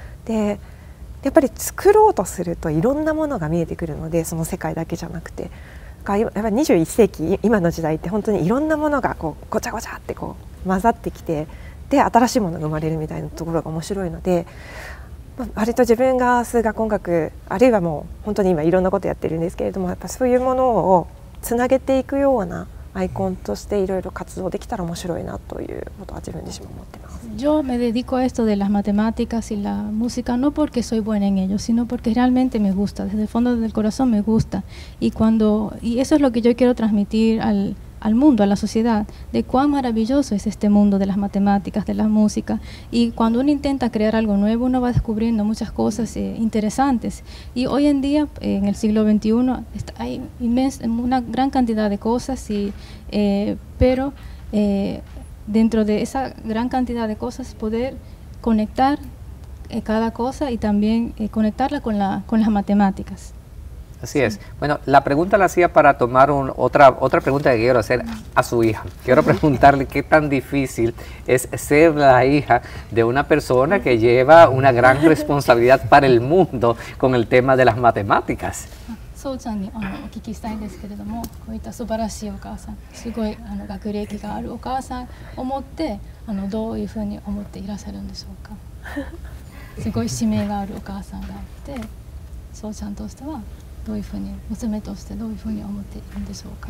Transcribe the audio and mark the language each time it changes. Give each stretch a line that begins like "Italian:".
Japanese: でやっぱり作ろうとするといろんなものが見えてくるので、その世界だけじゃなくて、やっぱ21世紀今の時代って本当にいろんなものがこうごちゃごちゃってこう混ざってきて、で新しいものが生まれるみたいなところが面白いので、割と自分が数学音楽あるいはもう本当に今いろんなことやってるんですけれども、やっぱそういうものをつなげていくようなアイコンとしていろいろ活動できたら面白いなということは自分自身も思ってます。
Spanish: Yo me dedico a esto de las matemáticas y la música no porque soy buena en ello, sino porque realmente me gusta, desde el fondo del corazón me gusta, y eso es lo que yo quiero transmitir al mundo, a la sociedad, de cuán maravilloso es este mundo de las matemáticas, de la música. Y cuando uno intenta crear algo nuevo, uno va descubriendo muchas cosas interesantes. Y hoy en día, en el siglo XXI, hay una gran cantidad de cosas, pero dentro de esa gran cantidad de cosas, poder conectar cada cosa y también conectarla con las matemáticas. Así sí. es. Bueno, la pregunta la hacía para tomar otra pregunta que quiero hacer a su hija. Quiero preguntarle qué tan difícil es ser la hija de una persona que lleva una gran responsabilidad para el mundo con el tema de las matemáticas.
Japanese: そうちゃんにお聞きしたいんですけれども、こういった素晴らしいお母さん、すごい学歴があるお母さんを思って、どういうふうに思っていらっしゃるんでしょうか。すごい使命があるお母さんがあって、そうちゃんとしてはどういうふうに、娘としてどういうふうに思っているんでしょうか。